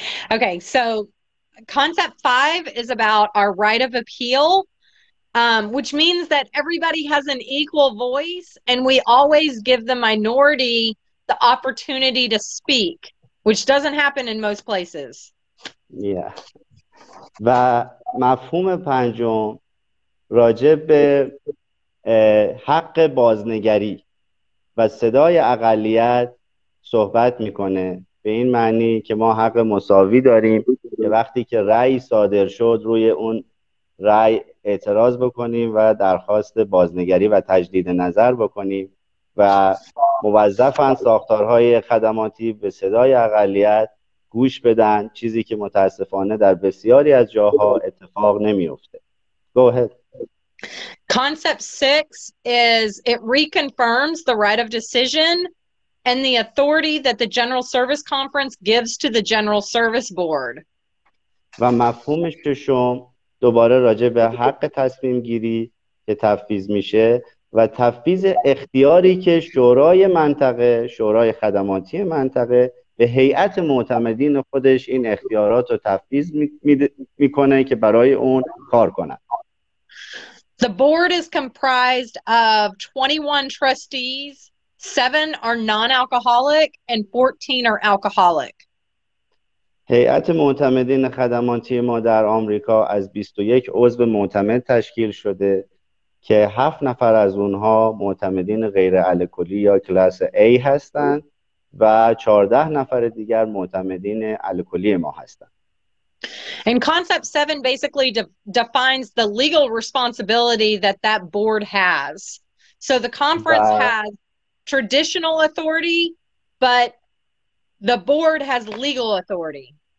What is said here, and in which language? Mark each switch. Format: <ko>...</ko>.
<en>Okay, so concept 5 is about our right of appeal, which means that everybody has an equal voice and we always give the minority the opportunity to speak, which doesn't happen in most places. Yeah.</en> <fa>و مفهوم پنجم راجع به حق بازنگری و صدای اقلیت صحبت میکنه به این معنی که ما حق مساوی داریم که وقتی که رأی صادر شد روی اون رأی اعتراض بکنیم و درخواست بازنگری و تجدید نظر بکنیم و موظفن ساختارهای خدماتی به صدای اقلیت گوش بدن، چیزی که متاسفانه در بسیاری از جاها اتفاق نمیفته.</fa> <en>Go ahead. Concept 6 is it reconfirms the right of decision and the authority that the General Service Conference gives to the General Service Board.</en> <fa>و مفهومش ششم دوباره راجع به حق تصمیم گیری که تفویض میشه و تفویض اختیاری که شورای منطقه، شورای خدماتی منطقه به هیئت معتمدین خودش این اختیارات رو تفویض میکنه که برای اون کار کنه.</fa> <en>The board is comprised of 21 trustees, 7 are non-alcoholic and 14 are alcoholic.</en> <fa>هیئت معتمدین خدماتی ما در آمریکا از 21 عضو معتمد تشکیل شده که 7 نفر از اونها معتمدین غیر الکلی یا کلاس A هستند و 14 نفر دیگر معتمدین الکلی ما هستند.</fa> <en>And concept 7 basically defines the legal responsibility that that board has. So the conference has traditional authority, but the board has legal authority.</en>